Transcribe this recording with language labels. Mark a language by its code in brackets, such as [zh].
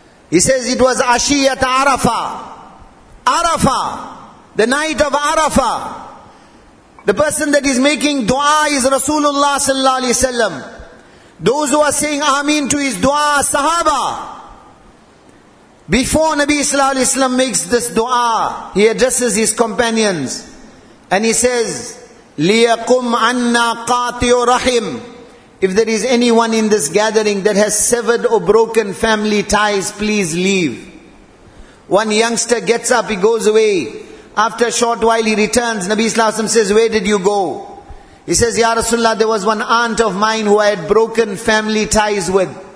[en] He says it was Ashiyat Arafah. Arafah, the night of Arafah. The person that is making du'a is Rasulullah sallallahu alayhi wasallam. Those who are saying ameen to his du'a, sahaba. Before Nabi sallallahu alayhi wasallam makes this du'a, he addresses his companions. And he says, [ar] لِيَقُمْ عَنَّا قَاطِيُ رَحِمْ. [en] If there is anyone in this gathering that has severed or broken family ties, please leave. One youngster gets up, he goes away. After a short while he returns, Nabi sallallahu alayhi wa sallam says, where did you go? He says, Ya Rasulullah, there was one aunt of mine who I had broken family ties with.